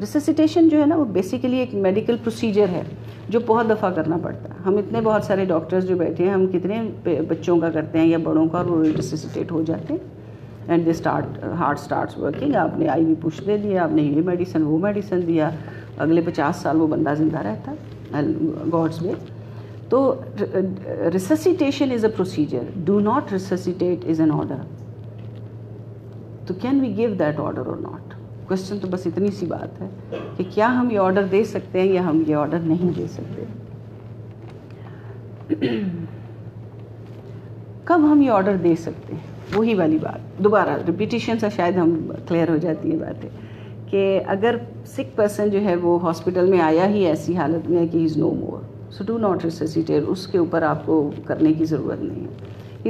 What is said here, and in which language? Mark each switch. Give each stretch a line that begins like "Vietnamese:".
Urdu: ریسسیٹیشن جو ہے نا وہ بیسیکلی ایک میڈیکل پروسیجر ہے جو بہت دفعہ کرنا پڑتا ہے. ہم اتنے بہت سارے ڈاکٹرز جو بیٹھے ہیں ہم کتنے بچوں کا کرتے ہیں یا بڑوں کا, اور وہ ریسسیٹیٹ ہو جاتے ہیں
English: And they start heart starts working.
Urdu: آپ نے آئی وی پش دے دیا, آپ نے یہ میڈیسن وہ میڈیسن دیا, اگلے 50 سال وہ بندہ زندہ رہتا گاڈز میں.
English: تو resuscitation is a procedure, do not resuscitate is an order.
Urdu: تو
English: can we give that order or not,
Urdu: کوشچن تو بس اتنی سی بات ہے کہ کیا ہم یہ آرڈر دے سکتے ہیں یا ہم یہ آرڈر نہیں دے سکتے. کب ہم یہ آرڈر دے سکتے ہیں, وہی والی بات دوبارہ ریپیٹیشن سے شاید ہم کلیئر ہو جاتی ہے بات ہے کہ اگر سک پرسن جو ہے وہ ہاسپٹل میں آیا ہی ایسی حالت میں کہ
English: is no more, so do not resuscitate,
Urdu: اس کے اوپر آپ کو کرنے کی ضرورت نہیں ہے.